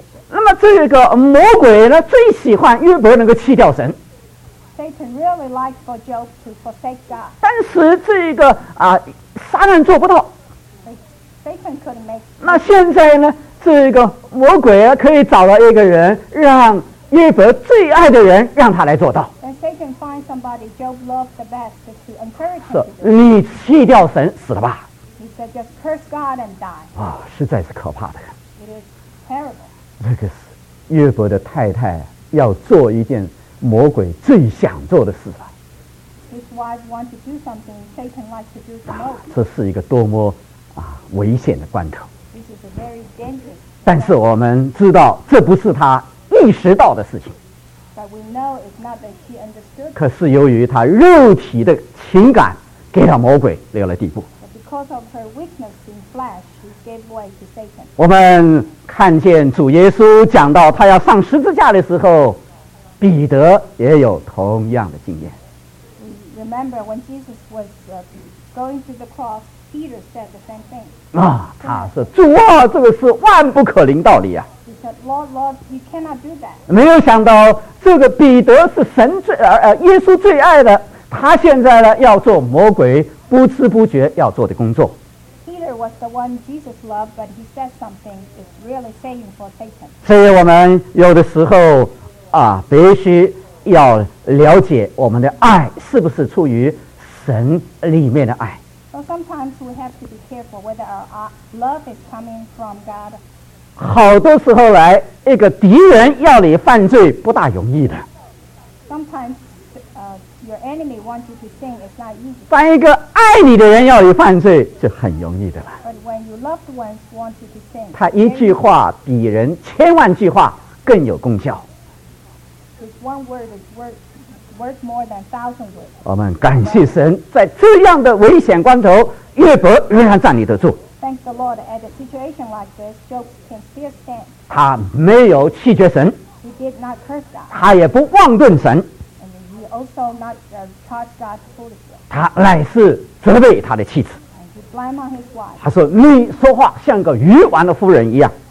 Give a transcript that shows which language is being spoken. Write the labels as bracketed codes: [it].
[zh] 那么这个魔鬼呢，最喜欢约伯能够弃掉神。 [en] Satan really liked for Job to forsake God. [zh] 但是这个撒旦做不到。 [en] Satan couldn't make. [zh] 那现在呢，这个魔鬼啊，可以找到一个人，让约伯最爱的人，让他来做到。 [en] And Satan finds somebody Job loved the best to encourage him. [zh] 是，你弃掉神，死了吧。 [en] He said, "Just curse God and die." [zh] 啊，实在是可怕的。 [en] Terrible. [zh] 那个是约伯的太太要做一件魔鬼最想做的事了。 [en] His wife wants to do something Satan likes to do the most. [zh] 这是一个多么危险的关头。 [en] This is a very dangerous. [zh] 但是我们知道这不是他意识到的事情。 [en] But we know it's not that she understood. [zh] 可是由于他肉体的情感给了魔鬼留了地步。 [en] Because of her weakness in flesh, she gave way to Satan. [zh] 我们看见主耶稣讲到他要上十字架的时候，彼得也有同样的经验。 [en] We remember when Jesus was going to the cross, Peter said the same thing. [zh] 啊，他说：“主啊，这个是万不可临道理啊！” [en] He said, "Lord, Lord, you cannot do that." [zh] 没有想到这个彼得是神最耶稣最爱的，他现在呢要做魔鬼。不知不觉要做的工作。 [en] Peter was the one Jesus loved, but he said something is really saying for Satan. [zh] 所以我们有的时候必须要了解我们的爱是不是出于神里面的爱。 [en] So sometimes we have to be careful whether our love is coming from God. [zh] 好多时候来一个敌人要你犯罪不大容易的。 [en] Sometimes. Your enemy wants you to sin, it's not easy. [zh] 当一个爱你的人要你犯罪就很容易的了。 [en] But when your loved ones want you to sin, [zh] 他一句话比人千万句话更有功效。 [en] Because one word is worth more than a thousand words. [zh] 我们感谢神，在这样的危险关头，约伯仍然站立得住。 [en] Thank the Lord, at a situation like this, Job can still stand. [zh] 他没有弃绝神。 [en] He did not curse God. [zh] 他也不妄论神。 [en] Also not charge God foolishly. [zh] 他乃是责备他的妻子。 [en] And he blamed on his wife. [zh] 他说：“你说话像个愚顽的妇人一样。”